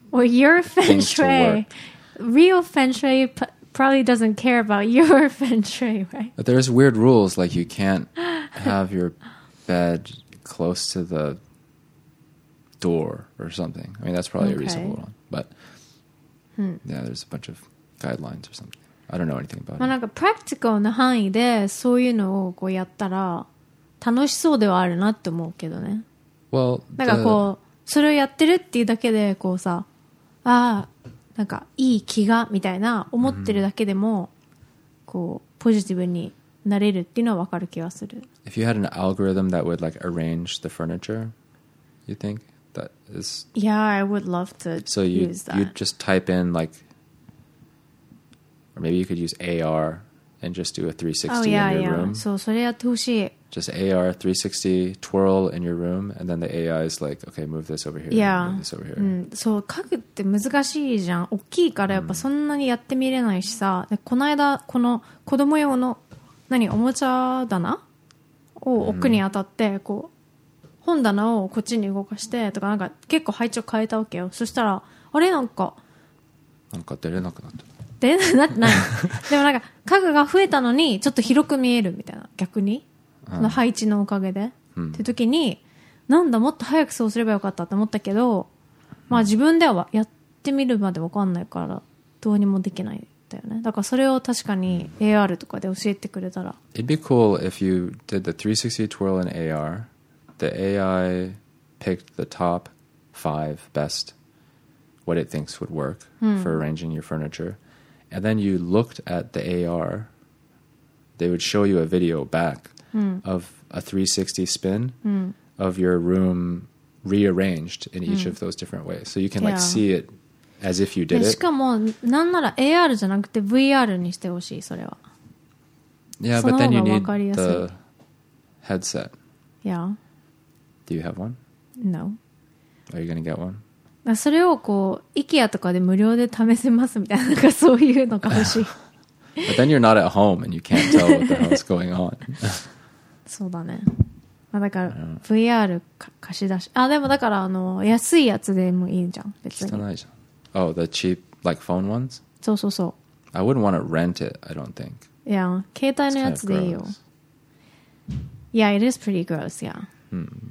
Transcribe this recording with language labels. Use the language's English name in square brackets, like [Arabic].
[English] Well, your feng shui, real feng shui, probably doesn't care about your feng shui, right? But there's weird rules, like you can't have your bed close to the door or something. I mean, that's probably okay. A reasonable one, but yeah, there's a bunch of guidelines or something. I don't know anything about it. [Japanese] まあなんかプラクティカルな範囲でそういうのをこうやったら楽しそうではあるなって思うけどね。 [English] Well, [Japanese] なんかこうそれをやってるっていうだけでこうさ、ああなんかいい気がみたいな思ってるだけでもこうポジティブになれるっていうのはわかる気がする。 [English] If you had an algorithm that would like arrange the furniture, you think that is? Yeah, I would love to. So you just type in like. Or maybe you could use AR and just do a 360 in your room. [Japanese] そう、それやってほしい。 [English] Just AR 360 twirl in your room, and then the AI is like, okay, move this over here, move this over here. [Japanese] そう、書くって難しいじゃん。大きいからやっぱそんなにやってみれないしさ。で、この間この子供用の何おもちゃ棚を奥に当たってこう本棚をこっちに動かしてとかなんか結構配置を変えたわけよ。そしたらあれなんか出れなくなった。ないでもなんか家具が増えたのにちょっと広く見えるみたいな逆にその配置のおかげで、って時になんだもっと早くそうすればよかったと思ったけど、まあ自分ではやってみるまで分かんないからどうにもできないんだよね。だからそれを確かに AR とかで教えてくれたら [English] It'd be cool if you did the 360 twirl in AR. The AI picked the top 5 best what it thinks would work for arranging your furniture. And then you looked at the AR, they would show you a video back of a 360 spin of your room rearranged in each of those different ways. So you can like see it as if you did it. [Japanese] しかもなんなら AR じゃなくて VR にしてほしいそれは。 [English] Yeah, but then you need the headset. Yeah. Do you have one? No. Are you going to get one? [Japanese] それをこう IKEA とかで無料で試せますみたいななんかそういうのが欲しい。 [English] But then you're not at home and you can't tell what the hell's going on. [Japanese] そうだね。まあ、だから VR 貸し出し。あでもだからあの安いやつでもいいじゃん別に。汚いじゃん。 [English] Oh, the cheap like phone ones? [Japanese] そうそうそう。 [English] I wouldn't want to rent it. I don't think. Yeah, [Japanese] 携帯のやつでいいよ。 [English] Yeah, it is pretty gross. Yeah.